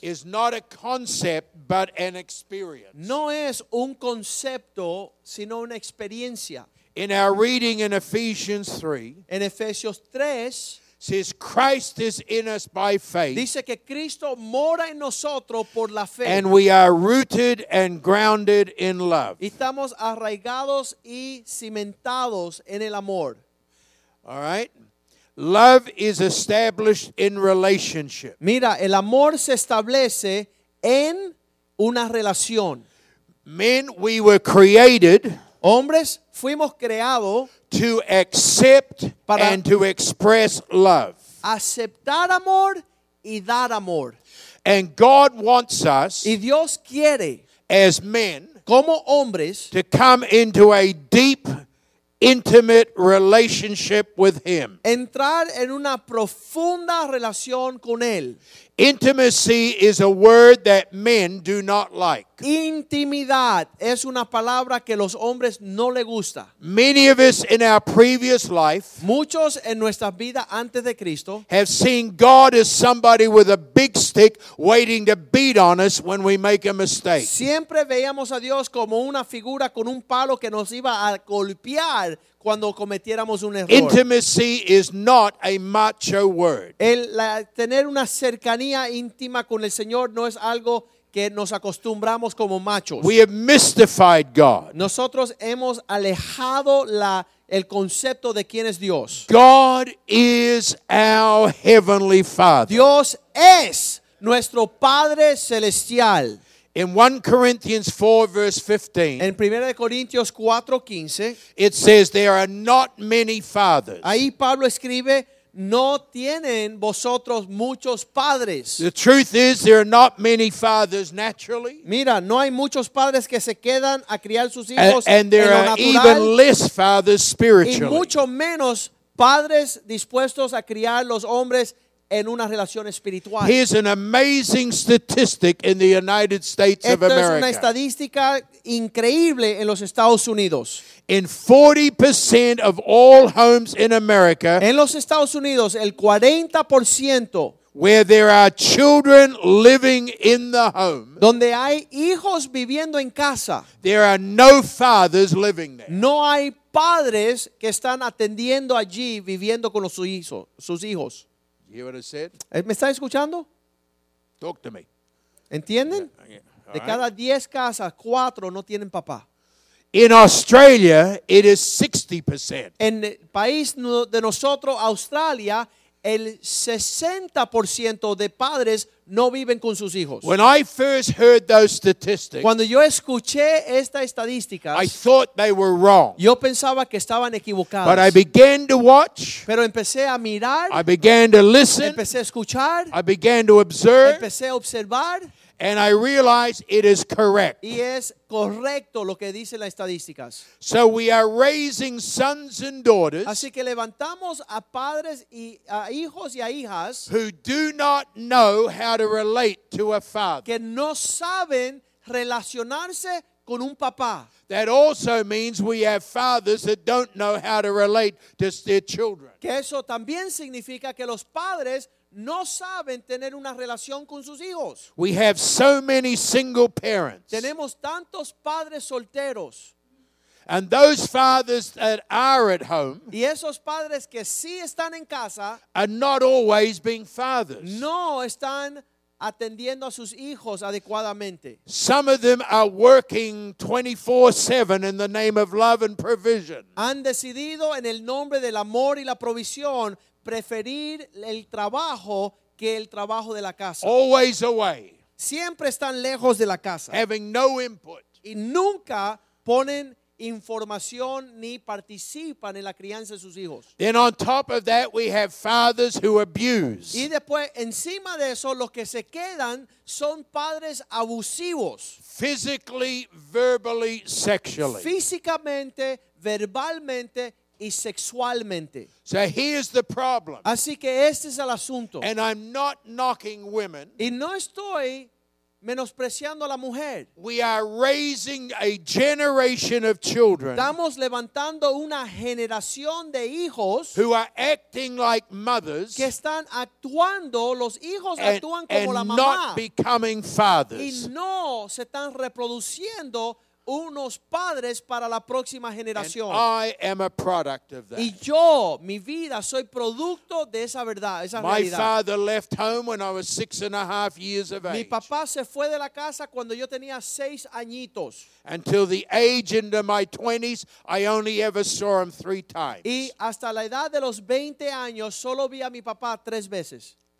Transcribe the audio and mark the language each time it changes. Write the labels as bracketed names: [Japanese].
[English] is not a concept, but an experience. [Spanish] No es un concepto, sino una experiencia. [English] In our reading in Ephesians 3, [Spanish] en Efesios 3, [English] says Christ is in us by faith. [Spanish] Dice que Cristo mora en nosotros por la fe. [English] And we are rooted and grounded in love. [Spanish] Y estamos arraigados y cimentados en el amor. [English] All right. Love is established in relationship. [Spanish] Mira, el amor se establece en una relación. [English] Men, we were created. [Spanish] Hombres, fuimos creados [English] to accept and to express love. [Spanish] Aceptar amor y dar amor. [English] And God wants us, [Spanish] y Dios quiere, [English] as men, [Spanish] como hombres, [English] to come into a deep, intimate relationship with Him. [Spanish] Entrar en una profunda relación con Él. [English] Intimacy is a word that men do not like. [Spanish] Intimidad es una palabra que los hombres no le gusta. [English] Many of us in our previous life, [Spanish] muchos en nuestra vida antes de Cristo, [English] have seen God as somebody with a big stick waiting to beat on us when we make a mistake. [Spanish] Siempre veíamos a Dios como una figura con un palo que nos iba a golpear cuando cometiéramos un error. [English] Intimacy is not a macho word. [Spanish] Tener una cercanía íntima con el Señor no es algo que nos acostumbramos como machos. [English] We have mystified God. [Spanish] Nosotros hemos alejado el concepto de quién es Dios. [English] God is our heavenly Father. [Spanish] Dios es nuestro Padre celestial. [English] In 1 Corinthians 4, verse 15, [Spanish] en 1 Corintios 4, 15, [English] it says, there are not many fathers. [Spanish] Ahí Pablo escribe, no tienen vosotros muchos padres. [English] The truth is, there are not many fathers naturally. [Spanish] Mira, no hay muchos padres que se quedan a criar sus hijos en lo natural. [English] And there are even less fathers spiritually. [Spanish] Y mucho menos padres dispuestos a criar los hombres en una relación espiritual. [English] Here's an amazing statistic in the United States [Spanish] esto [English] of America. [Spanish] Es una estadística increíble en los Estados Unidos. [English] In 40% of all homes in America, [Spanish] en los Estados Unidos, el 40%, [English] where there are children living in the home, [Spanish] donde hay hijos viviendo en casa, [English] there are no fathers living there. [Spanish] No hay padres que están atendiendo allí, viviendo con sus hijos. [English] You hear what I said? [Spanish] ¿Me está escuchando? [English] Talk to me. [Spanish] ¿Entienden? [English] Yeah, yeah. [Spanish] De right. Cada 10 casas, 4 no tienen papá. [English] In Australia, it is 60%. [Spanish] En el país de nosotros, Australia, el 60% de padres no viven con sus hijos. [English] When I first heard those statistics, [Spanish] cuando yo escuché estas estadísticas, [English] I thought they were wrong. [Spanish] Yo pensaba que estaban equivocados. [English] But I began to watch. [Spanish] Pero empecé a mirar. [English] I began to listen. [Spanish] Empecé a escuchar. [English] I began to observe. [Spanish] Empecé a observar. [English] And I realized it is correct. [Spanish] Y es correcto lo que dice las estadísticas. [English] So we are raising sons and daughters. [Spanish] Así que levantamos a padres y a hijos y a hijas [English] who do not know how to relate to a father. [Spanish] Que no saben relacionarse con un papá. [English] That also means we have fathers that don't know how to relate to their children. [Spanish] Que eso también significa que los padres no saben tener una relación con sus hijos. [English] We have so many single parents. [Spanish] Tenemos tantos padres solteros. [English] And those fathers that are at home, [Spanish] y esos padres que sí están en casa, [English] are not always being fathers. [Spanish] No están atendiendo a sus hijos adecuadamente. [English] Some of them are working 24/7 in the name of love and provision. [Spanish] Han decidido en el nombre del amor y la provisión preferir el trabajo que el trabajo de la casa. [English] Always away. [Spanish] Siempre están lejos de la casa. [English] Having no input. [Spanish] Y nunca ponen información ni participan en la crianza de sus hijos. [English] Then on top of that we have fathers who abuse. [Spanish] Y después encima de eso los que se quedan son padres abusivos. [English] Physically, verbally, sexually. [Spanish] Físicamente, verbalmente y sexualmente. [English] So here's the problem. [Spanish] Así que este es el asunto. [English] And I'm not knocking women. [Spanish] Y no estoy menospreciando a la mujer. [English] We are raising a generation of children. [Spanish] Estamos levantando una generación de hijos. [English] Who are acting like mothers. [Spanish] Que están actuando, los hijos actúan como la mamá. [English] And not becoming fathers. [Spanish] Y no se están reproduciendo unos padres para la próxima generación. [English] And I am a product of that. [Spanish] Y yo, mi vida, soy producto de esa verdad, esa realidad. [English] My father left home when I was 6.5 years of age. [Spanish] Mi papá se fue de la casa cuando yo tenía 6 añitos. [English] Until the age into my 20s, I only ever saw him 3 times. [Spanish] Y hasta la edad de los 20 años, solo vi a mi papá 3 veces.